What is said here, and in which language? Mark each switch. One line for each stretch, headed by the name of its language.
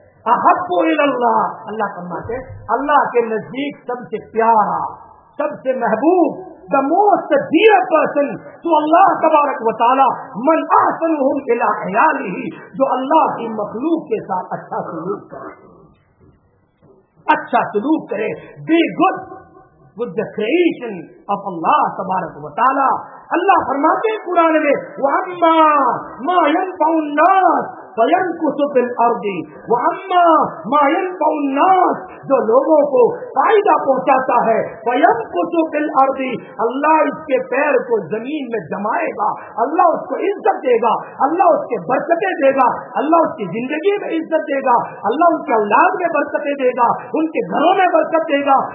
Arabic: احب الی اللہ,
Urdu: اللہ فرماتے اللہ کے نزدیک سب سے پیارا, سب سے محبوب,
English: the most dear person
Urdu: تو اللہ تبارک و تعالی.
Arabic: من احسنہم الی عیالہ,
Urdu: جو اللہ کی مخلوق کے ساتھ اچھا سلوک کرے, اچھا سلوک کرے.
English: Be good with the creation of Allah تبارک و تعالی.
Urdu: اللہ فرماتے ہیں قرآن میں
Arabic: واما ما ينفع الناس فينكث في الارض
Urdu: واما ما ينفع الناس, جو لوگوں کو فائدہ پہنچاتا ہے فينكث في الارض, اللہ اس کے پیر کو زمین میں جمائے گا, اللہ اس کو عزت دے گا, اللہ اس کے برکتیں دے گا, اللہ اس کی زندگی میں عزت دے گا, اللہ ان کے اولاد میں برکتیں دے گا, ان کے گھروں میں برکت دے گا.